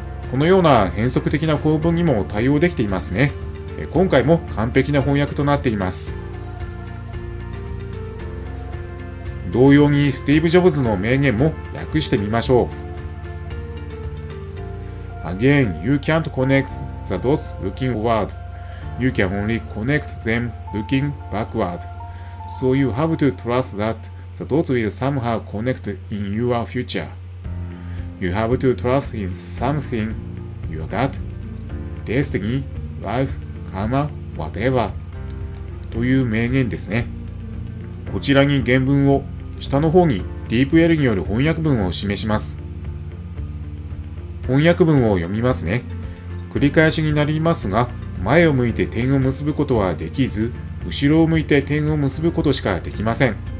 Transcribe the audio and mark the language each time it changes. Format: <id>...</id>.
<ja>このような変則的な構文にも対応できていますね。今回も完璧な翻訳となっています。同様にスティーブ・ジョブズの名言も訳してみましょう。</ja> <en>Again, you can't connect the dots looking forward. You can only connect them looking backward. So you have to trust that the dots will somehow connect in your future. You have to trust in something, your gut, destiny, life, karma, whatever.</en> <ja>という名言ですね。こちらに原文を下の方に DeepL による翻訳文を示します。翻訳文を読みますね。繰り返しになりますが、前を向いて点を結ぶことはできず、後ろを向いて点を結ぶことしかできません。</ja>